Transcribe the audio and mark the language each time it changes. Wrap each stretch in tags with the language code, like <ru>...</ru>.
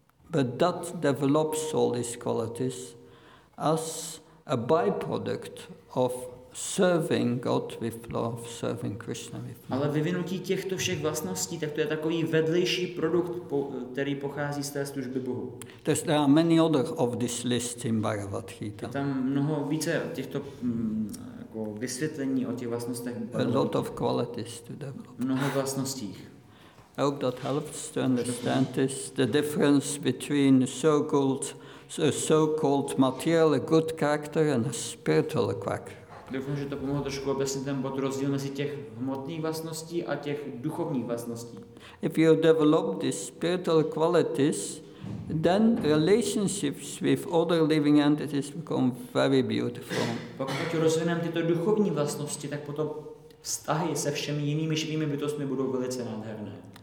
<en>But that develops all these qualities as a byproduct of serving God with love, serving Krishna with love.</en> <cs>Ale vyvinutí těchto všech vlastností, tak to je takový vedlejší produkt, který pochází z té služby Bohu.</cs> <en>There are many other of this list in Bhagavad Gita.</en> <cs>Je tam mnoho více těchto jako vysvětlení o těch vlastnostech.</cs> <en>A lot of qualities to develop.</en> <cs>Mnoho vlastností.</cs> <en>I hope that helps to understand this, the difference between so-called material good character and a spiritual character.</en> <cs>Doufám, že to pomohlo trošku obecně ten bod rozdíl mezi těch hmotných vlastností a těch duchovních vlastností.</cs> <en>If you develop these spiritual qualities, then relationships with other living entities become very beautiful.</en> <cs>Pokud rozvineme tyto duchovní vlastnosti, tak potom vztahy se všemi jinými živými bytostmi budou velice nádherné.</cs>